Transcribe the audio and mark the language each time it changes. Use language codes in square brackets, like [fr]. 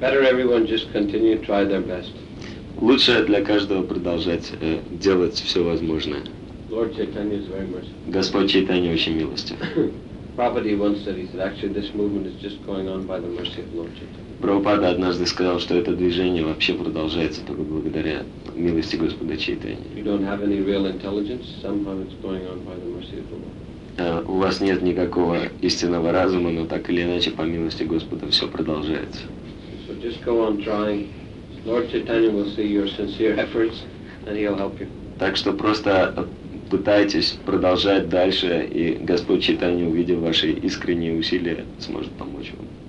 [en] Better everyone just continue to try their best. [ru] Лучше для каждого продолжать делать все возможное. [en] Lord Chaitanya is very merciful. [ru] Господь Чайтанья очень милостив. [en] Prabhupada once said, he said, actually this movement is just going on by the mercy of Lord Chaitanya. [ru] Prabhupada однажды сказал, что это движение вообще продолжается только благодаря милости Господа Чайтаньи. [en] You don't have any real intelligence, somehow it's going on by the mercy of the Lord. [ru] У вас нет никакого истинного разума, но так или иначе по милости Господа все продолжается. [en] So just go on trying. Lord Chaitanya will see your sincere efforts and he'll help you. [ru] Так что просто пытайтесь продолжать дальше, и Господь Чайтанья, увидев ваши искренние усилия, сможет помочь вам.